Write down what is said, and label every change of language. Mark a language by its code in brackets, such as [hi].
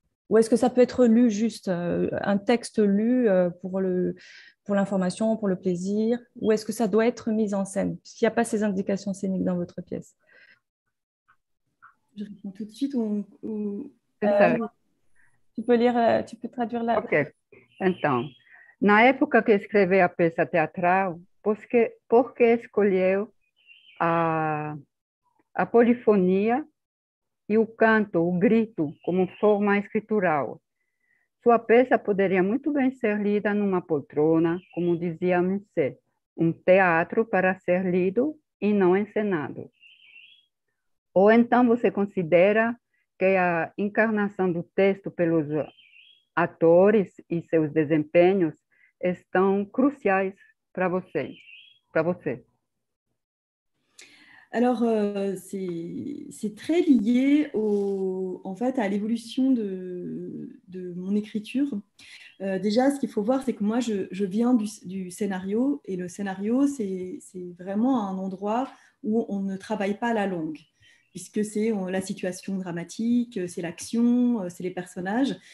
[fr] Ou est-ce que ça peut être lu juste, un texte lu pour l'information, pour le plaisir, ou est-ce que ça doit être mis en scène, puisqu'il n'y a pas ces indications scéniques dans votre pièce? Je réponds tout de suite ou C'est ça. tu peux traduire là. Ok. [pt] Então, na época que escrevi a peça teatral, porque escolheu a polifonia e o canto, o grito, como forma escritural? Sua peça poderia muito bem ser lida numa poltrona, como dizia Musset, um teatro para ser lido e não encenado. Ou então você considera que a encarnação do texto pelos atores e seus desempenhos estão cruciais para vocês, para você. [fr] Alors, c'est très lié en fait, à l'évolution de mon écriture. Déjà, ce qu'il faut voir, c'est que moi, je viens du scénario, et le scénario, c'est vraiment un endroit où on ne travaille pas la langue, puisque c'est la situation dramatique, c'est l'action, c'est les personnages.